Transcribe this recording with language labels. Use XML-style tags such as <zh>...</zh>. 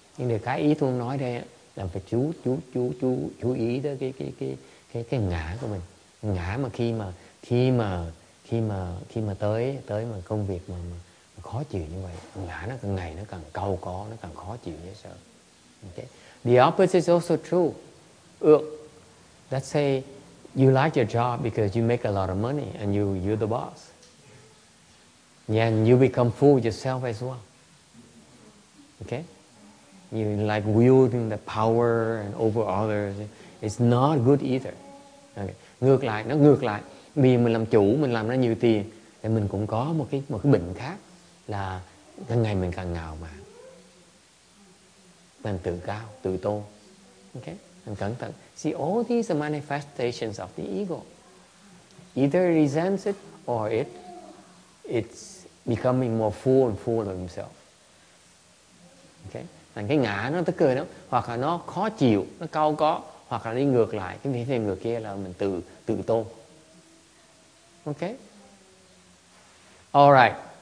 <vi>Nhưng điều cái ý tôi muốn nói đây là phải chú ý tới cái ngã của mình. Ngã mà khi mà tới mà công việc mà khó chịu như vậy, ngã nó càng ngày nó càng cau có, nó càng khó chịu như sợ.</vi> <en>Okay. The opposite is also true. Let's say you like your job because you make a lot of money and you're the boss. And you become fooled yourself as well. Okay? You like wielding the power and over others. It's not good either. Okay.</en> <vi>Ngược lại. Vì mình làm chủ, mình làm ra nhiều tiền thì mình cũng có một cái bệnh khác là càng ngày mình càng ngạo mạn. Mình tự cao, tự tôn. Okay? Mình cẩn thận.</vi> <en>See, all these are manifestations of the ego. Either it resents it or it's becoming more full and full of himself. Okay?</en> <vi>Thành cái ngã nó tức cười đó, hoặc là nó khó chịu, nó cau có, hoặc là đi ngược lại, cái vị thế ngược kia là mình tự tôn. Okay?</vi> <en>All right.</en>